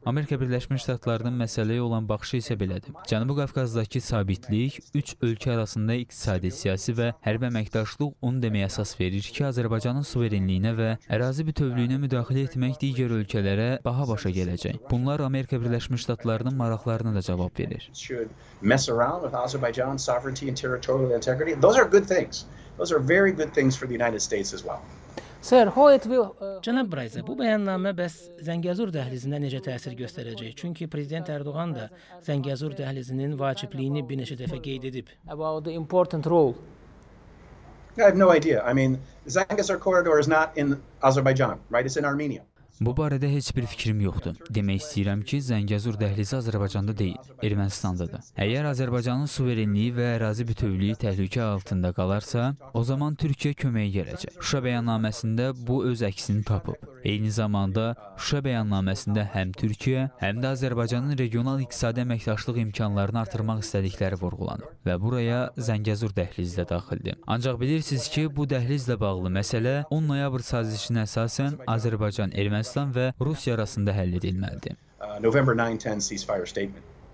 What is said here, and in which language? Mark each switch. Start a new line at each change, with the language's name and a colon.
Azerbaijani: Amerika Birləşmiş Ştatlarının məsələyə olan baxışı isə belədir. Cənubi Qafqazdakı sabitlik, üç ölkə arasında iqtisadi, siyasi və hərbi əməkdaşlıq onu deməyə əsas verir ki, Azərbaycanın suverenliyinə və ərazi bütövlüyünə müdaxilə etmək digər ölkələrə baha başa gələcək. Bunlar Amerika Birləşmiş Ştatlarının maraqlarına da cavab verir.
English: Mess around with Azerbaijan's sovereignty and territorial integrity. Those are good things. Those are very good things for the United States as well. Sir, how it will
Azerbaijani: Cənab Braize, bu bəyannamə bəs Zəngəzur dəhlizinə necə təsir göstərəcək? Çünki prezident Erdoğan da Zəngəzur dəhlizinin vacibliyini bir neçə dəfə qeyd edib.
English: About the important role. I have no idea. I mean, Zəngəzur corridor is not in Azerbaijan, right? It's in Armenia.
Azerbaijani: Bu barədə heç bir fikrim yoxdur. Demək istəyirəm ki, Zəngəzur dəhlizi Azərbaycanda deyil, Ermənistandadır. Əgər Azərbaycanın suverenliyi və ərazi bütövlüyü təhlükə altında qalarsa, o zaman Türkiyə köməyə gələcək. Şuşa bəyannaməsində bu öz əksini tapıb. Eyni zamanda Şuşa bəyannaməsində həm Türkiyə, həm də Azərbaycanın regional iqtisadi əməkdaşlıq imkanlarını artırmaq istədikləri vurğulanıb və buraya Zəngəzur dəhlizi də daxildir. Ancaq bilirsiniz ki, bu dəhlizlə bağlı məsələ 10 noyabr sazişinə əsasən Azərbaycan Ermənistan və Rusiya arasında həll edilməlidir.
English: November 9-10 ceasefire statement.